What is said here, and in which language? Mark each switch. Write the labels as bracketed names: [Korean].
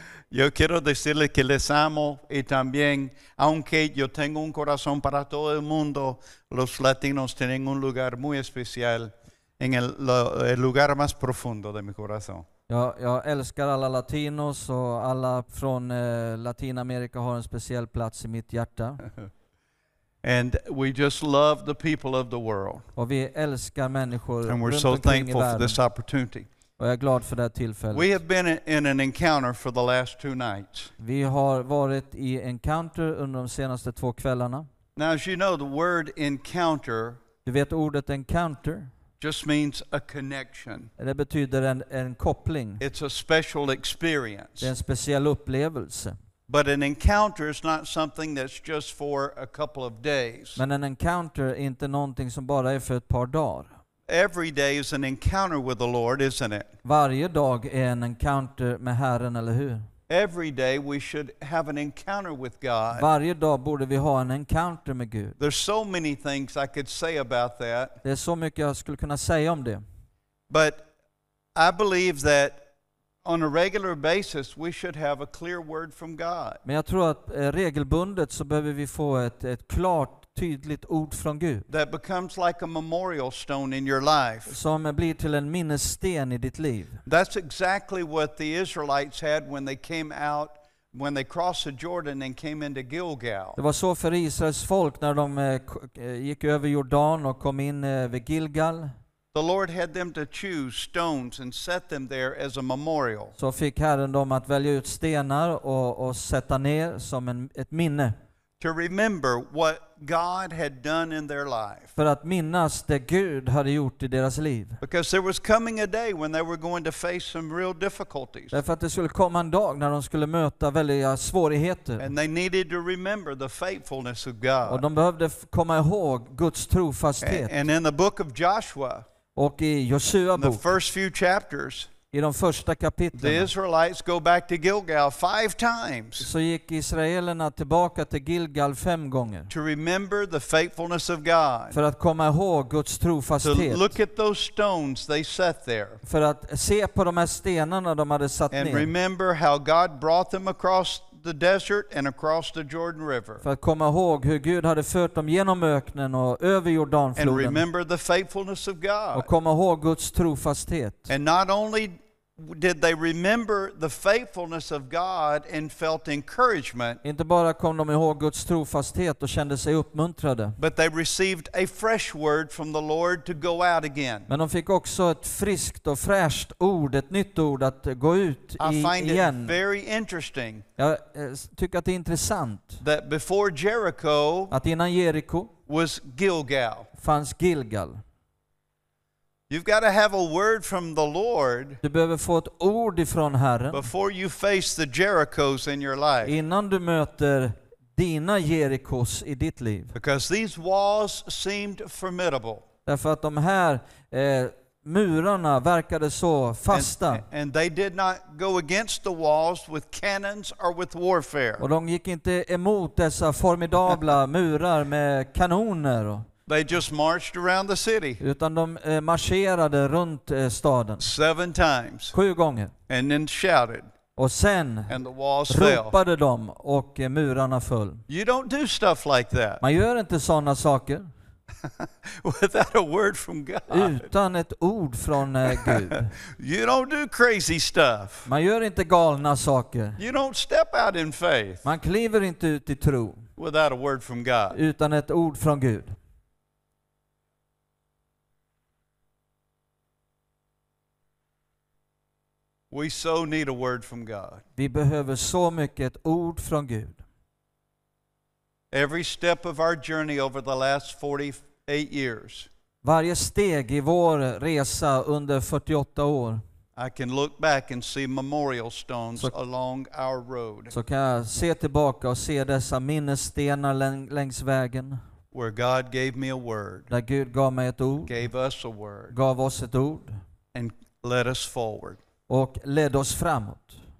[Spanish] Yo quiero decirles que les amo y también, aunque yo tengo un corazón para todo el mundo, los latinos tienen un lugar muy especial en el lugar más profundo de mi corazón. [Swedish] Jag älskar alla latinos och alla från Latinamerika har en speciell plats I mitt hjärta. [English] And we just love the people of the world. [Swedish] Och vi älskar människor. [English] And we're so thankful for this opportunity. [Swedish] Och jag är glad för det här tillfället. [English] We have been in an encounter for the last two nights. [Swedish] Vi har varit I encounter under de senaste två kvällarna. [English] Now, as you know, the word encounter. [Swedish] Du vet ordet encounter. [English] Just means a connection. [Swedish] Det betyder en koppling. [English] It's a special experience. [Swedish] Det är en speciell upplevelse. [English] But an encounter is not something that's just for a couple of days. [Swedish] Men en encounter är inte någonting som bara är för ett par dagar. [English] Every day is an encounter with the Lord, isn't it? [Swedish] Varje dag är en encounter med Herren, eller hur? [English] Every day we should have an encounter with God. [Swedish] Varje dag borde vi ha en encounter med Gud. [English] There's so many things I could say about that. [Swedish] Det är så mycket jag skulle kunna säga om det. [English] But I believe that on a regular basis we should have a clear word from God. [Swedish] Men jag tror att regelbundet så behöver vi få ett klart tydligt ord från Gud. [English] That becomes like a memorial stone in your life. [Swedish] Som blir till en minnessten I ditt liv. [English] That's exactly what the Israelites had when they came out, when they crossed the Jordan and came into Gilgal. [Swedish] Det var så för Israels folk när de gick över Jordan och kom in vid Gilgal. [English] The Lord had them to choose stones and set them there as a memorial. [Swedish] Så fick Herren dem att välja ut stenar och sätta ner som ett minne. [English] To remember what God had done in their life. [Swedish] För att minnas det Gud hade gjort I deras liv. [English] Because there was coming a day when they were going to face some real difficulties. [Swedish] Därför att det skulle komma en dag när de skulle möta väldiga svårigheter. [English] And they needed to remember the faithfulness of God. [Swedish] Och de behövde komma ihåg Guds trofasthet. [English] And in the book of Joshua. [Swedish] Och I Josua bok. [English] The first few chapters. [Swedish] I de första kapitlen. [English] The Israelites go back to Gilgal 5 times. [Swedish] Så gick israelerna tillbaka till Gilgal 5 gånger. [English] To remember the faithfulness of God. [Swedish] För att komma ihåg Guds trofasthet. [English] To look at those stones they set there. [Swedish] För att se på de här stenarna de hade satt [English] and [Swedish] ner. [English] And remember how God brought them across the desert and across the Jordan River. [Swedish] För att komma ihåg hur Gud hade fört dem genom öknen och över Jordanfloden. [English] And remember the faithfulness of God. [Swedish] Och komma ihåg Guds trofasthet. [English] And not only did they remember the faithfulness of God and felt encouragement. [Swedish] Inte bara kom de ihåg Guds trofasthet och kände sig uppmuntrade. [English] But they received a fresh word from the Lord to go out again. [Swedish] Men de fick också ett friskt och fräscht ord, ett nytt ord att gå ut igen. [English] I find it very interesting. [Swedish] Jag tycker att det är intressant. [English] That before Jericho, [Swedish] att innan Jericho [English] was Gilgal. [Swedish] Fanns Gilgal. [English] You've got to have a word from the Lord. [Swedish] Du behöver få ett ord ifrån Herren. [English] Before you face the Jerichos in your life. [Swedish] Innan du möter dina Jerikos I ditt liv. [English] Because these walls seemed formidable. [Swedish] Därför att de här murarna verkade så fasta. [English] And they did not go against the walls with cannons or with warfare. [Swedish] Och de gick inte emot dessa formidabla murar med kanoner och [English] they just marched around the city. [Swedish] Utan de marscherade runt staden. [English] 7 times. [Swedish] 7 gånger. [English] And then shouted. [Swedish] Och sen [English] and the walls [Swedish] ropade [English] fell. [Swedish] De och murarna föll. [English] You don't do stuff like that. [Swedish] Man gör inte såna saker. [English] Without a word from God. [Swedish] Utan ett ord från Gud. [English] You don't do crazy stuff. [Swedish] Man gör inte galna saker. [English] You don't step out in faith. [Swedish] Man kliver inte ut I tro. [English] Without a word from God. [Swedish] Utan ett ord från Gud. [English] We so need a word from God. [Swedish] Vi behöver så mycket ett ord från Gud. [English] Every step of our journey over the last 48 years. [Swedish] Varje steg I vår resa under 48 år. [English] I can look back and see memorial stones along our road. [Swedish] Så kan jag se tillbaka och se dessa minnesstenar längs vägen. [English] Where God gave me a word. [Swedish] Där Gud gav mig ett ord. [English] Gave us a word. [Swedish] Gav oss ett ord. [English] And led us forward. [Swedish] Och led oss framåt.